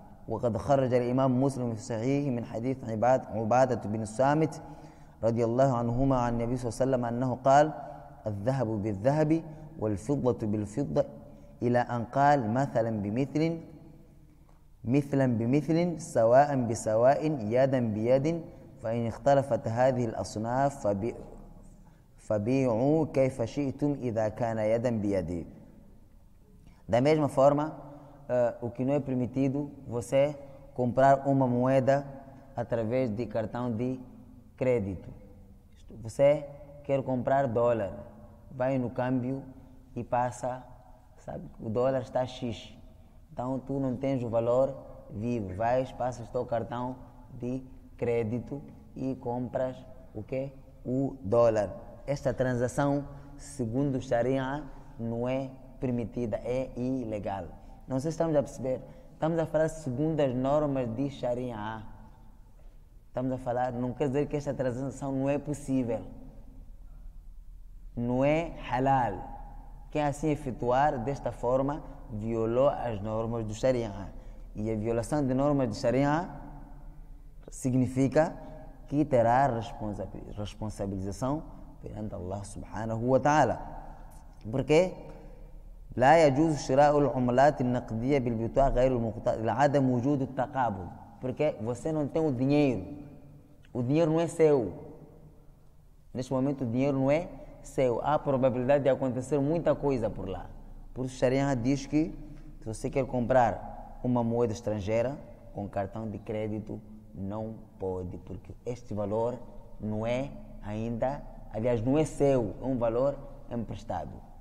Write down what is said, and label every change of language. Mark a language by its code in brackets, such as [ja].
[ar] وقد خرج الإمام مسلم في صحيحه من حديث عبادة بن السامت رضي الله عنهما عن النبي صلى الله عليه وسلم أنه قال: الذهب بالذهب والفضة بالفضة، إلى أن قال: مثلا بمثل، مثلا بمثل، سواء بسواء، يدا بيد، فإن اختلفت هذه الأصناف فبيعوا كيف شئتم إذا كان يدا بيد. [pt] Da mesma forma, o que não é permitido você comprar uma moeda através de cartão de crédito. Você quer comprar dólar, vai no câmbio e passa, sabe, o dólar está X. Então tu não tens o valor vivo, vais, passas teu cartão de crédito e compras o quê? O dólar. Esta transação, segundo o Sharia, não é permitida, é ilegal. Não sei se estamos a perceber. Estamos a falar segundo as normas de Sharia. Estamos a falar, não quer dizer que esta transação não é possível. Não é halal. Quem assim efetuar desta forma violou as normas do Sharia. E a violação de normas de Sharia significa que terá responsabilização perante Allah subhanahu wa ta'ala. Porquê? [ar] لا يجوز شراء العملات النقدية بالبطاقة غير المقطع لعدم وجود التقابض. [pt] Porque você não tem o dinheiro não é seu. Neste momento o dinheiro não é seu. Há probabilidade de acontecer muita coisa por lá. Por isso Sharia diz que se você quer comprar uma moeda estrangeira com cartão de crédito, não pode, porque este valor não é ainda, aliás, não é seu, é um valor emprestado.